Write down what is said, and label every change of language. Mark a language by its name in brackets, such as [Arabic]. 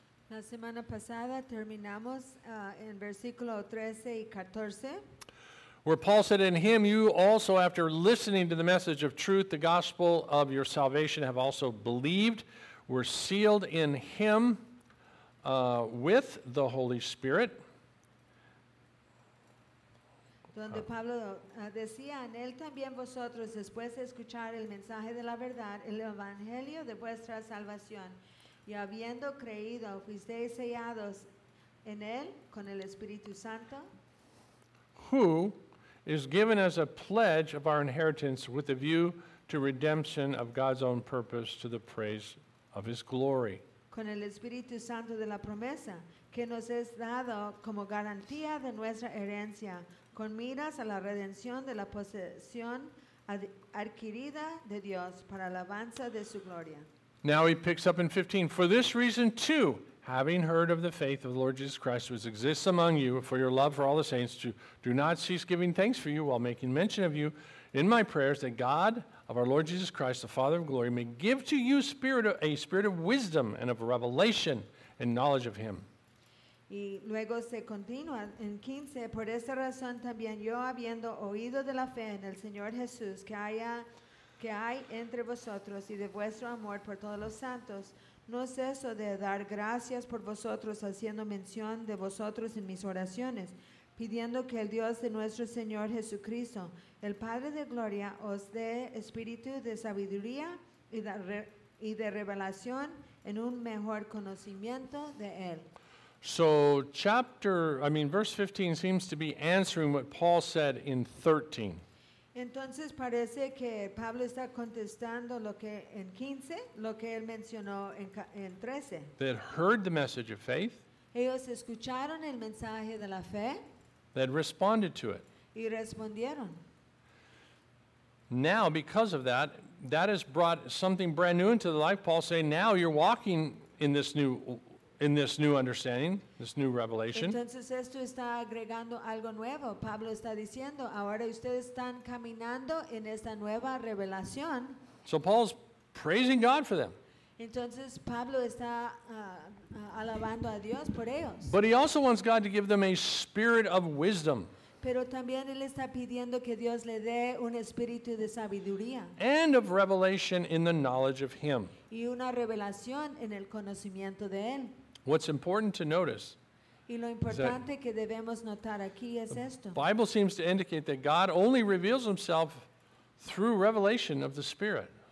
[Spanish] La semana pasada terminamos en versículo 13 y 14. [English] Where Paul said, in him you also, after listening to the message of truth, the gospel of your salvation, have also believed, were sealed in him with the Holy Spirit. [Spanish] Donde Pablo decía, en él también vosotros, después de escuchar el mensaje de la verdad, el evangelio de vuestra salvación, y habiendo creído, fuisteis sellados en él con el Espíritu Santo. [English] Who is given as a pledge of our inheritance with a view to redemption of God's own purpose to the praise of his glory. [Spanish] Con el Espíritu Santo de la promesa, que nos es dado como garantía de nuestra herencia, con miras a la redención de la posesión adquirida de Dios para alabanza de su gloria. [English] Now he picks up in 15. For this reason too, having heard of the faith of the Lord Jesus Christ, which exists among you, for your love for all the saints, to do not cease giving thanks for you while making mention of you in my prayers, that God of our Lord Jesus Christ, the Father of glory, may give to you a spirit of wisdom and of revelation and knowledge of him. [Spanish] Y luego se continúa en 15. Por esta razón también yo, habiendo oído de la fe en el Señor Jesús que hay entre vosotros y de vuestro amor por todos los santos, no ceso de dar gracias por vosotros, haciendo mención de vosotros en mis oraciones, pidiendo que el Dios de nuestro Señor Jesucristo, el Padre de gloria, os dé espíritu de sabiduría y de revelación en un mejor conocimiento de él. [English] So verse 15 seems to be answering what Paul said in 13. [Spanish] Entonces parece que Pablo está contestando lo que en 15, lo que él mencionó en 13. [English] They had heard the message of faith. [Spanish] Ellos escucharon el mensaje de la fe. [English] They had responded to it. [Spanish] Y respondieron. [English] Now, because of that, that has brought something brand new into the life. Paul saying, now you're walking in this new understanding, this new revelation. [Spanish] Entonces esto está agregando algo nuevo. Pablo está diciendo, ahora ustedes están caminando en esta nueva revelación. [English] So Paul's praising God for them. [Spanish] Entonces Pablo está alabando a Dios por ellos. [English] But he also wants God to give them a spirit of wisdom. [Spanish] Pero también él está pidiendo que Dios le dé un espíritu de sabiduría. [English] And of revelation in the knowledge of him. [Spanish] Y una revelación en el conocimiento de él. [English] What's important to notice? [Spanish] Y lo importante que debemos notar aquí es esto. [English] The Bible seems to indicate that God only reveals himself through revelation of the Spirit.